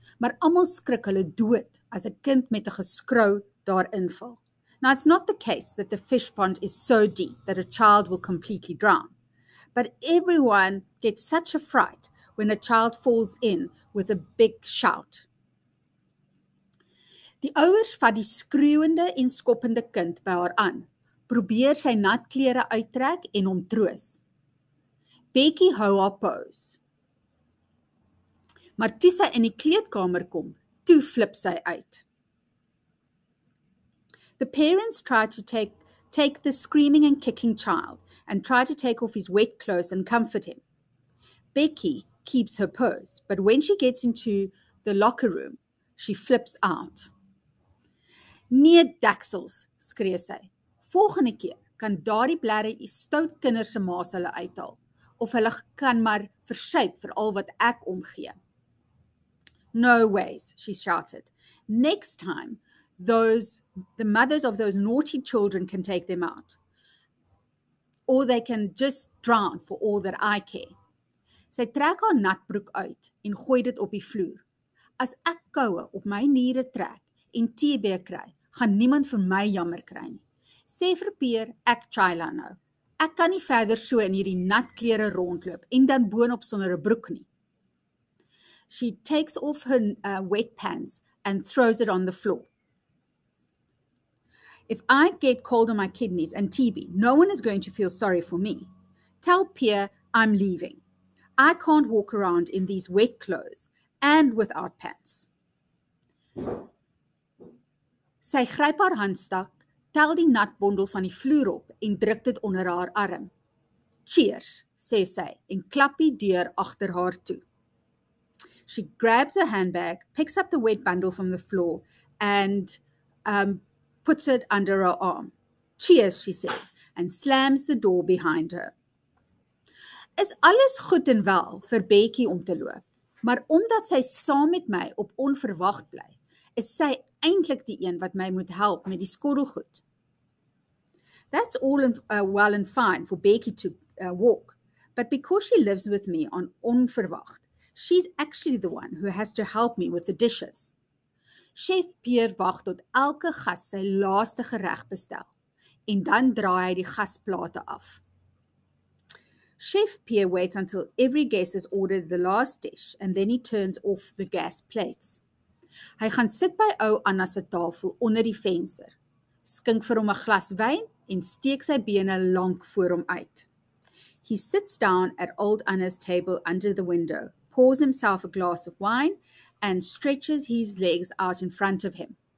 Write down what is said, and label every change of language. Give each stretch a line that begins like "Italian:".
Afrikaans: Maar almal skrik hulle dood as 'n kind met 'n geskrou daar inval.
English: Now, it's not the case that the fish pond is so deep that a child will completely drown. But everyone gets such a fright when a child falls in with a big shout.
Afrikaans: Die ouers vat die skreeuende en skoppende kind by haar aan, probeer sy nat klere uittrek en hom troos. Becky hou haar pose. Maar toe sy in die kleedkamer kom, toe flip sy uit.
English: The parents try to take the screaming and kicking child and try to take off his wet clothes and comfort him. Becky keeps her pose, but when she gets into the locker room, she flips out.
Afrikaans: Nee, daksels, skree sy. Volgende keer kan daardie blerre die stout kinders se ma's hulle uithaal, of hulle kan maar versuip vir al wat ek omgee.
English: No ways, she shouted. Next time, the mothers of those naughty children can take them out. Or they can just drown for all that I care.
Afrikaans: Sy trek haar natbroek uit en gooi dit op die vloer. As ek koue op my niere trek en TB kry, gaan niemand vir my jammer kry nie. Sê vir Peer, ek chila nou. Ek kan nie verder so in hierdie nat klere rondloop en dan boonop sonder 'n broek nie.
English: She takes off her wet pants and throws it on the floor. If I get cold on my kidneys and TB, no one is going to feel sorry for me. Tell Pierre I'm leaving. I can't walk around in these wet clothes and without pants.
Afrikaans: Sy gryp haar handstak, tel die nat bondel van die vloer op en druk dit onder haar arm. Cheers, sê sy en klap die deur agter haar toe.
English: She grabs her handbag, picks up the wet bundle from the floor and puts it under her arm. Cheers, she says, and slams the door behind her.
Afrikaans: is alles goed en wel vir Bekkie om te loop, maar omdat sy saam met my op onverwacht bly, is sy eintlik die een wat my moet help met die skorrelgoed.
English: That's all in, well and fine for Bekkie to walk, but because she lives with me on onverwacht, she's actually the one who has to help me with the dishes.
Afrikaans: Chef Pierre wag tot elke gas sy laaste gereg bestel en dan draai hy die gasplate af.
English: Chef Pierre waits until every guest has ordered the last dish and then he turns off the gas plates.
Afrikaans: Hy gaan sit by ou Anna se tafel onder die venster, skink vir hom 'n glas wyn en steek sy bene lank voor hom uit.
English: He sits down at old Anna's table under the window, pours himself a glass of wine and stretches his legs out in front of him.